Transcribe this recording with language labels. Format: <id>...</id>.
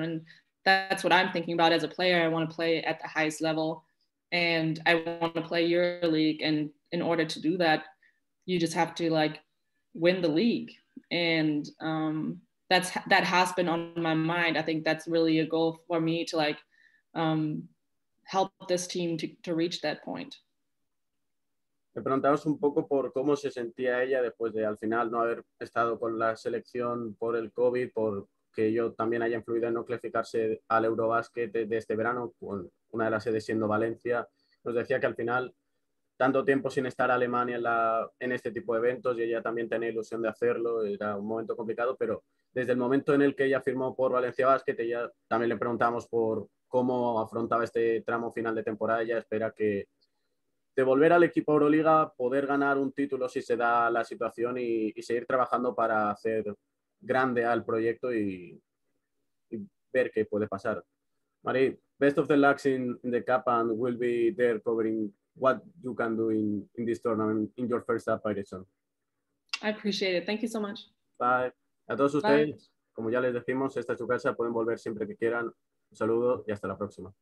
<en>And that's what I'm thinking about as a player. I want to play at the highest level, and I want to play EuroLeague. And in order to do that, you just have to, like, win the league. And that has been on my mind. I think that's really a goal for me, to, like, help this team to reach that point.</en> <es>Le preguntamos un poco por cómo se sentía ella después de, al final, no haber estado con la selección por el COVID, por que ello también haya influido en no clasificarse al Eurobasket de este verano, con una de las sedes siendo Valencia. Nos decía que al final, tanto tiempo sin estar Alemania en este tipo de eventos, y ella también tenía ilusión de hacerlo, era un momento complicado, pero desde el momento en el que ella firmó por Valencia Basket, ella también le preguntamos por cómo afrontaba este tramo final de temporada. Ella espera que devolver al equipo Euroliga, poder ganar un título si se da la situación y seguir trabajando para hacer grande al proyecto y ver qué puede pasar.</es> <en>Mari, best of the luck in the cup, and we'll be there covering what you can do in this tournament in your first appearance. I appreciate it. Thank you so much. Bye.</en> <es>A todos ustedes, bye. Como ya les decimos, esta es su casa, pueden volver siempre que quieran. Un saludo y hasta la próxima.</es>